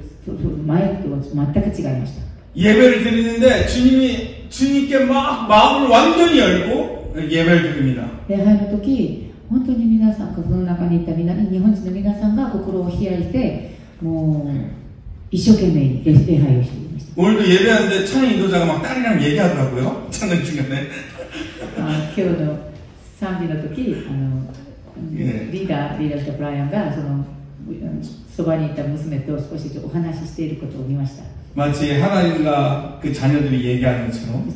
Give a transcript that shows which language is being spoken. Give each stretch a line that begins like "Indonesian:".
Japanese: 今回私が日本に行ってみたら日本住んでいる日本人はもう私が前見ていたそういう前とは全く違いました。
Korean: 예배를 드리는데 주님께 막 마음을 완전히 열고 예배를 드립니다.
Japanese: 礼拝の時本当に皆さんがその中にいた皆日本人の皆さんが心を開いてもう一生懸命礼拝をしています。
Korean: 오늘도 예배하는데 찬양 인도자가 막 딸이랑 얘기하더라고요. 찬양 중간에.
Japanese: 아,今日の 賛美の時, 리더 브라이언가 側にいた娘と少しお話ししていることを見ました。
Korean: 마치 하나님과 그 자녀들이 얘기하는 것처럼.